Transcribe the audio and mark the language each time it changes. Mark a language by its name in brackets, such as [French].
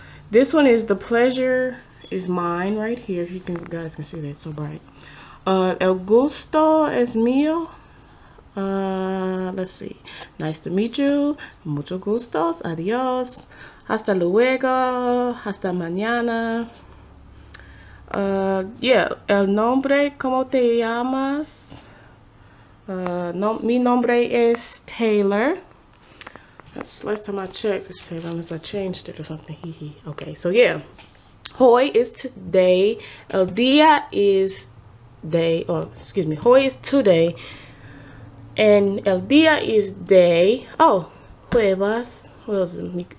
[English] This one is the pleasure is mine right here. If you can, you guys can see that, it's so bright. [Spanish] El gusto es mío. [English] Let's see, nice to meet you, [Spanish] mucho gustos, adios, hasta luego, hasta mañana. Yeah, el nombre, como te llamas. No, mi nombre es Taylor. [English] That's last time I checked, this Taylor, unless I changed it or something. Okay, so yeah. Hoy is today. [Spanish] El día [English] is day. Oh, excuse me. Hoy is today. And [Spanish] el día [English] is day. Oh, jueves. What was it?